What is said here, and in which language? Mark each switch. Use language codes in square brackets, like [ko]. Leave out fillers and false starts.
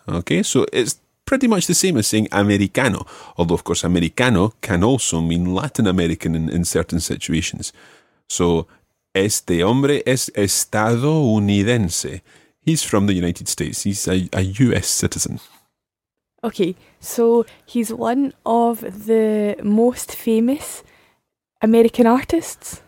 [en] Okay, so it's pretty much the same as saying americano. Although, of course, americano can also mean Latin American in certain situations. [es] So, este hombre es estadounidense. [en] He's from the United States. He's a US citizen. Okay, so he's one of the most famous American artists?